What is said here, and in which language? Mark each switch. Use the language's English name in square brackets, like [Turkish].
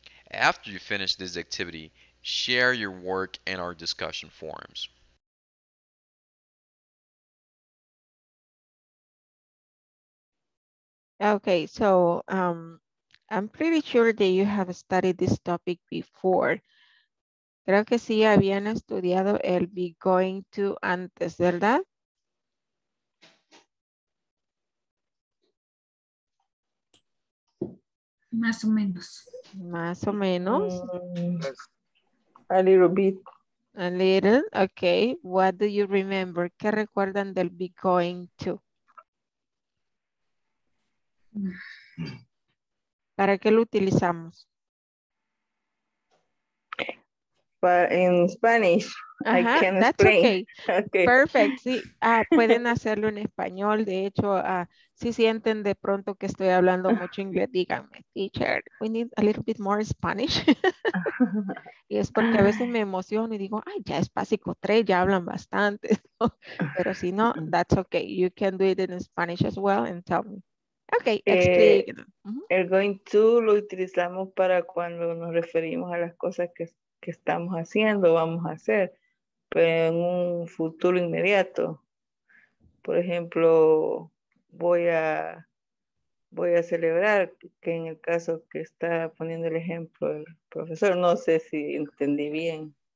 [English] After you finish this activity, share your work in our discussion forums. Okay, so I'm pretty sure that you have studied this topic before. [Spanish] Creo que sí habían estudiado el be going to antes, ¿verdad? Más o menos. Más o menos. [English] A little bit. A little, okay. What do you remember? [Spanish] ¿Qué recuerdan del be going to? ¿Para qué lo utilizamos? [English] In Spanish, I can explain. Okay. Perfect. [Spanish] Sí. Pueden hacerlo en español. De hecho, si sienten de pronto que estoy hablando mucho inglés, díganme, [English] teacher, we need a little bit more Spanish. [Spanish] Y es porque a veces me emociono y digo, ay, ya es básico 3, ya hablan bastante. Pero si no, [English] that's okay. You can do it in Spanish as well and tell me. Okay, [Spanish] El going to lo utilizamos para cuando nos referimos a las cosas que estamos haciendo, vamos a hacer, pero en un futuro inmediato. Por ejemplo, voy a celebrar, que en el caso que está poniendo el ejemplo el profesor, no sé si entendí bien.